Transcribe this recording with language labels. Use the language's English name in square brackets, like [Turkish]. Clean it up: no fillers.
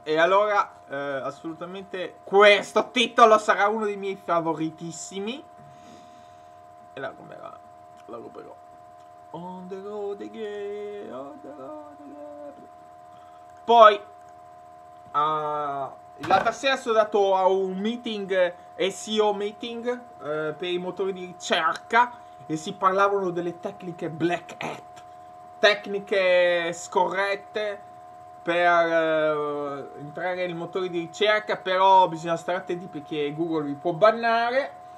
[Italian] E allora, assolutamente, questo titolo sarà uno dei miei favoritissimi. E la romperò. La romperò. [English] On the road again, on the road again. [Italian] Poi, l'altra sera sono andato a un meeting, SEO meeting, per i motori di ricerca. E si parlavano delle tecniche Black Hat. Tecniche scorrette per entrare nei motori di ricerca, però bisogna stare attenti perché Google vi può bannare.